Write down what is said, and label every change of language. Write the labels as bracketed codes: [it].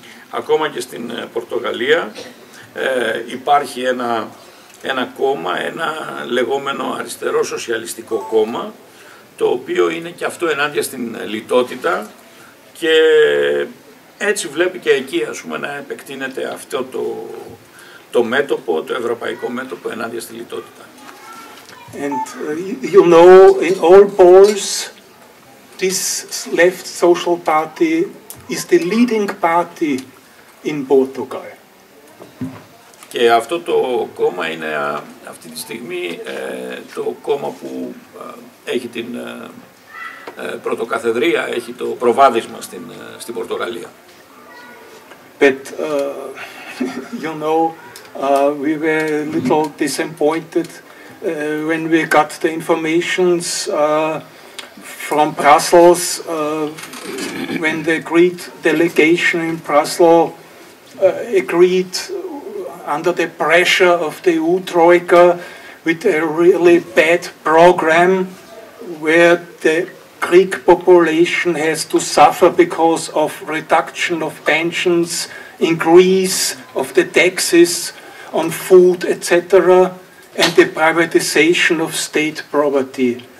[el] Ακόμα και στην Πορτογαλία υπάρχει ένα κόμμα, ένα λεγόμενο αριστερό σοσιαλιστικό κόμμα, το οποίο είναι και αυτό ενάντια στην λιτότητα, και έτσι βλέπει και εκεί, ας πούμε, να επεκτείνεται αυτό το μέτωπο, το ευρωπαϊκό μέτωπο ενάντια στη λιτότητα. [en] And you know, in all polls, this left social party is the leading party in Portugal. [el] Και αυτό το κόμμα είναι αυτή τη στιγμή το κόμμα που έχει την πρωτοκαθεδρία, έχει το προβάδισμα στην Πορτογαλία. [en] But you know, we were a little disappointed when we got the informations from Brussels, when the Greek delegation in Brussels agreed under the pressure of the EU Troika with a really bad program where the Greek population has to suffer because of reduction of pensions, increase of the taxes on food, etc., and the privatization of state property.